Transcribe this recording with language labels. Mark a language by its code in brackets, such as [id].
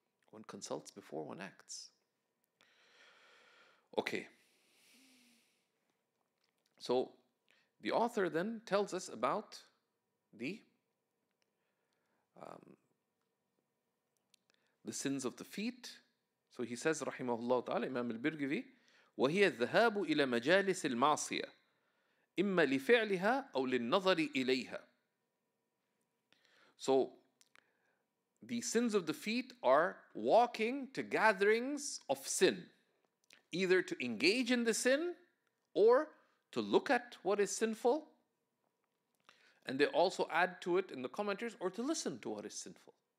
[en] One consults before one acts. Okay. So, the author then tells us about the sins of the feet. So he says, rahimahullah ta'ala, Imam al-Birgivi, [ar] وَهِيَ الذَّهَابُ إِلَى مَجَالِسِ الْمَعْصِيَةِ إِمَّا لِفِعْلِهَا أَوْ لِلنَّظَرِ إِلَيْهَا. [en] So, the sins of the feet are walking to gatherings of sin, either to engage in the sin or to look at what is sinful. And they also add to it in the commentaries, or to listen to what is sinful.